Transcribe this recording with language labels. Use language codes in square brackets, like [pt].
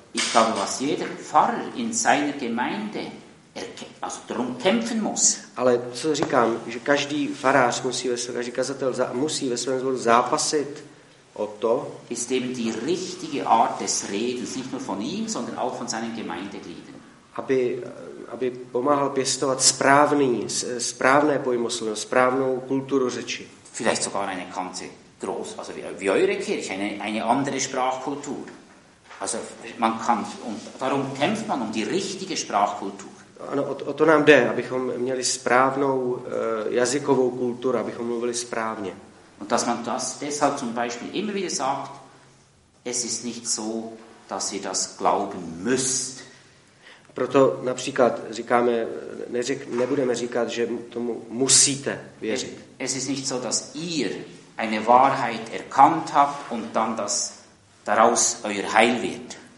[de] Ich glaube, was jeder Pfarrer in seiner Gemeinde also drum kämpfen muss. [cs] Ale co říkám, že každý farář musí ve své, každý kazatel musí ve svém zboru zápasit o to, [de] ist eben die richtige Art des Redens, nicht nur von ihm, sondern auch von seinen Gemeindegliedern. [cs] Aby pomáhal pěstovat správné pojmoslovo, správnou kulturu řeči. [de] Vielleicht sogar eine ganze groß, also wie eure Kirche, eine andere Sprachkultur. Also man kann, und darum kämpft man um die richtige Sprachkultur. [cs] Ano, o to nám jde, abychom měli správnou jazykovou kulturu, abychom mluvili správně. [de] Und dass man das deshalb zum Beispiel immer wieder sagt, es ist nicht so, dass ihr das glauben müsst. [cs] Proto například říkáme, nebudeme říkat, že tomu musíte věřit. [de] Es ist nicht so, dass ihr eine Wahrheit erkannt habt und dann das daraus euer Heil wird.